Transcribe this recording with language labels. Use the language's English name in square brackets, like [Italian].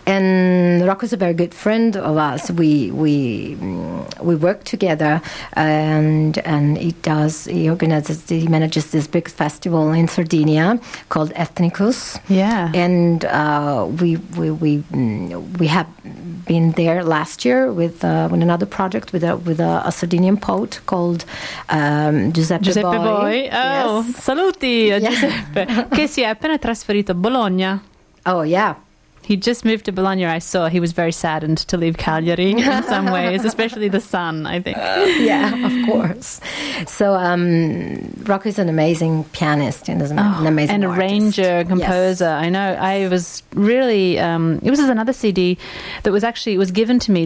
[English] And Rocco's a very good friend of us. We work together, and he manages this big festival in Sardinia called Ethnicus. Yeah. And we have been there last year with another project with a Sardinian poet called Giuseppe Boy. Oh, yes. [Italian] Saluti, [English] yeah. [Italian] Giuseppe, che si è appena trasferito a Bologna. [English] Oh, yeah. He just moved to Bologna, I saw. He was very saddened to leave Cagliari in some ways, especially the sun, I think. Yeah, of course. So Rocco is an amazing pianist and an amazing And artist. Arranger, composer. Yes. I know. Yes. I was really... it was another CD that was actually... It was given to me.